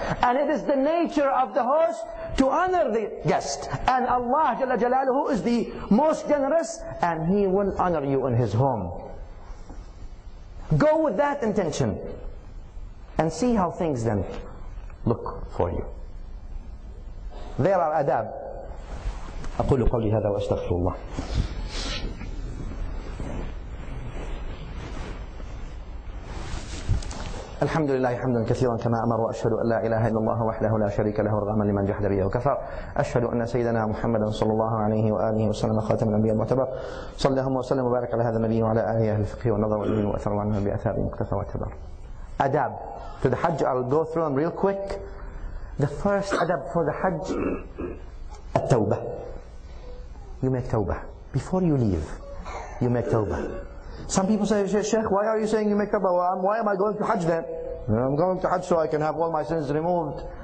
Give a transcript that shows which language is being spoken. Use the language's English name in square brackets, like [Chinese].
[English] And it is the nature of the host to honor the guest. And Allah jalla jalaluhu is the most generous, and He will honor you in His home. Go with that intention and see how things then look for you. There are adab. [Arabic] أقول قولي هذا وأستغفر الله. الحمد لله حمدا كثيرا كما أمر, وأشهد أن لا إله إلا الله وحده لا شريك له, رغما لمن جحد به وكفر. أشهد أن سيدنا محمدا صلى الله عليه وآله وسلم خاتم الأنبياء المعتبر, صلى الله وسلم وبارك على هذا النبي وعلى آله أهل الفقه والنظر والعلم وأثر عنه بأثار مكتفى واعتبر. [English] أداب to the Hajj, I'll go through them real quick. The first adab for the Hajj, التوبة. You make tawbah. Before you leave, you make tawbah. Some people say, Shaykh, why are you saying you make tawbah? Why am I going to Hajj then? I'm going to Hajj so I can have all my sins removed.